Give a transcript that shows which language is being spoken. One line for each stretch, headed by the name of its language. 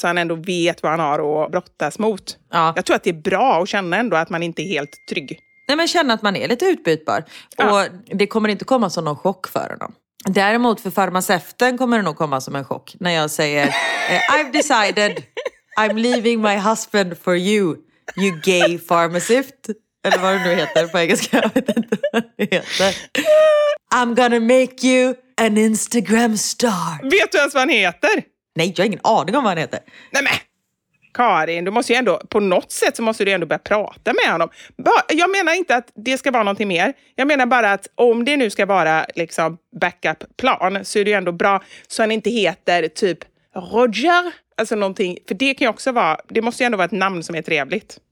Swedish: Så han ändå vet vad han har att brottas mot. Ja. Jag tror att det är bra att känna ändå att man inte är helt trygg. Nej, men känna att man är lite utbytbar. Ja. Och det kommer inte komma som någon chock för honom. Däremot för farmaceuten kommer det nog komma som en chock. När jag säger,
English: I've decided... I'm leaving my husband for you, you gay pharmacist.
Swedish: Eller vad det nu heter på engelska, jag vet inte vad det heter.
English: I'm gonna make you an Instagram star.
Swedish: Vet du ens vad han heter? Nej, jag har ingen aning om vad han heter. Nej, men Karin, du måste ju ändå, på något sätt så måste du ändå börja prata med honom. Jag menar inte att det ska vara någonting mer. Jag menar bara att om det nu ska vara liksom backup-plan så är det ju ändå bra så han inte heter typ Roger- Alltså någonting, för det kan ju också vara, det måste ju ändå vara ett namn som är trevligt.